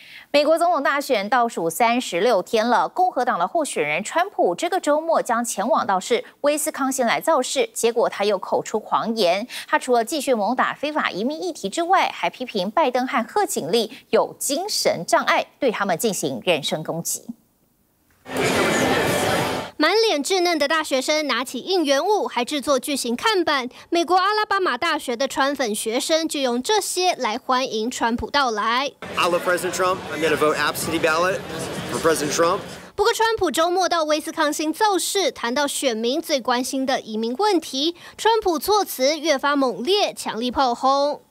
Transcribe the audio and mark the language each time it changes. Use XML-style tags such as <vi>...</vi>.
<zh>美国总统大选倒数36天了，共和党的候选人川普这个周末将前往到是威斯康星来造势，结果他又口出狂言，他除了继续猛打非法移民议题之外，还批评拜登和贺锦丽有精神障碍，对他们进行人身攻击。满脸稚嫩的大学生拿起应援物，还制作巨型看板。美国阿拉巴马大学的川粉学生就用这些来欢迎川普到来。</zh> <en>I love President Trump. I'm going to vote absentee ballot for President Trump.</en> <zh>不过川普周末到威斯康星造势，谈到选民最关心的移民问题，川普措辞越发猛烈，强力炮轰。</zh>